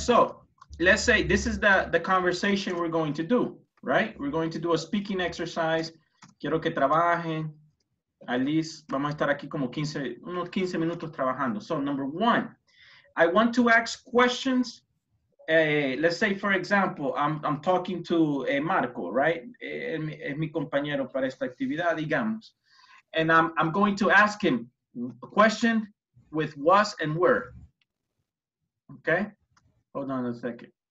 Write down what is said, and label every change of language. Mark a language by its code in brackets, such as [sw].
[en] So let's say this is the conversation we're going to do, right? We're going to do a speaking exercise. [es] Quiero que trabajen. [en] At least, [es] vamos a estar aquí como 15 minutos trabajando. [en] So, number one, I want to ask questions. Let's say, for example, I'm talking to Marco, right? [es] Es mi compañero para esta actividad, digamos. [en] And I'm going to ask him a question with was and were. Okay? Hold on a second.